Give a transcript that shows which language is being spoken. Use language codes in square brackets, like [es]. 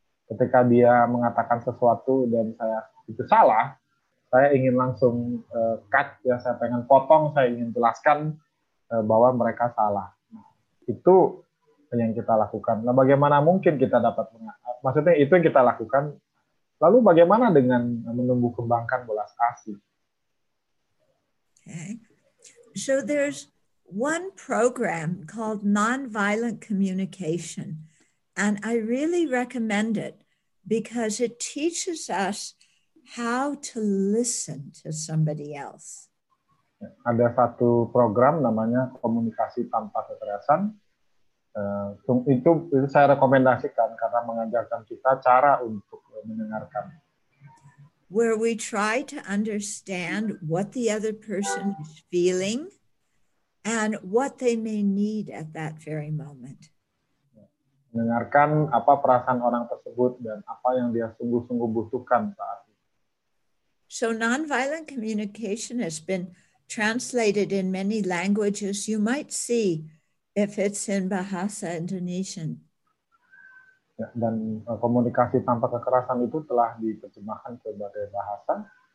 [id] Ketika dia mengatakan sesuatu dan saya itu salah, saya ingin langsung cut, ya, saya pengen potong, saya ingin jelaskan bahwa mereka salah. Nah, itu yang kita lakukan. Nah, bagaimana mungkin kita dapat maksudnya itu yang kita lakukan? Lalu bagaimana dengan menumbuh kembangkan belas kasih? [en] Okay. So there's one program called Nonviolent Communication, and I really recommend it because it teaches us how to listen to somebody else. [id] Ada satu program namanya Komunikasi Tanpa Kekerasan. Itu saya rekomendasikan karena mengajarkan kita cara untuk mendengarkan. [en] Where we try to understand what the other person is feeling and what they may need at that very moment. [id] Mendengarkan apa perasaan orang tersebut dan apa yang dia sungguh-sungguh butuhkan saat ini. [en] So nonviolent communication has been translated in many languages. You might see if it's in Bahasa Indonesian. [id] Ya, dan komunikasi tanpa kekerasan itu telah diterjemahkan ke berbagai bahasa.